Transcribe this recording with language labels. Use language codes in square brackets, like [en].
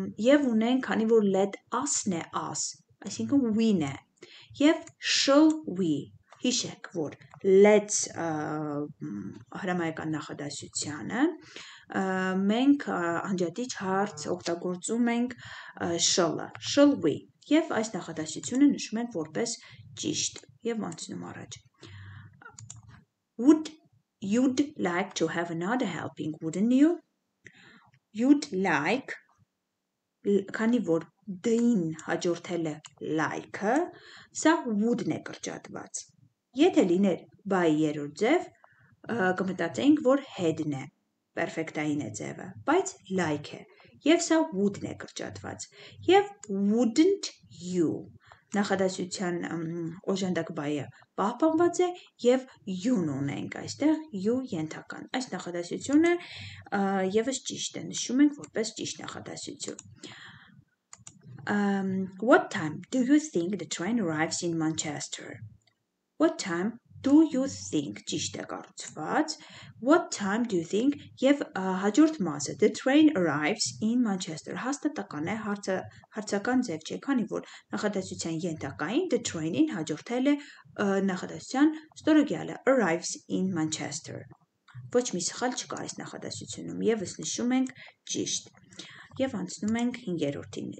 [hy] եվ ունենք, քանի որ let us-ն է us, այսինքն we-ն է, եվ [en] shall we, [hy] հիշեք, որ let's հրամայական նախադասությանը, մենք անջատիչ հարց օգտագործում ենք shall-ը, shall we, եվ այս նախադասությունը նշում ենք որպես ճիշտ, եւ անցնում առաջ. [en] Would you'd like to have another helping, wouldn't you? [hy] You'd like, քանի որ դին հաջորդել է like-ը, սա would-ն է կրճատված. Եթե լիներ by-ի երրորդ ձև, կմտածենք, որ had-ն է, պերֆեկտային է ձևը, բայց like-ը, եւ սա would-ն է կրճատված. Եվ wouldn't you, նախադասության օժանդակ բայը պահպանված է, եւ you-ն ունենք այստեղ, you ենթական, այս նախադասությունը եւս ճիշտ է, նշում ենք որպես ճիշտ նախադասություն. [en] What time do you think the train arrives in Manchester? What time do you think, [hy] ճիշտ է կարծված, what time do you think, եւ հաջորդ մասը, [en] the train arrives in Manchester, [hy] հաստատական է, հարցական ձև չէ, քանի որ նախադասության ենթակային the train-ին հաջորդել է նախադասության ստորոգյալը, arrives in Manchester, ոչ մի սխալ չկա այս նախադասությունում, եւս նշում ենք ճիշտ, եւ անցնում ենք 5-րդին.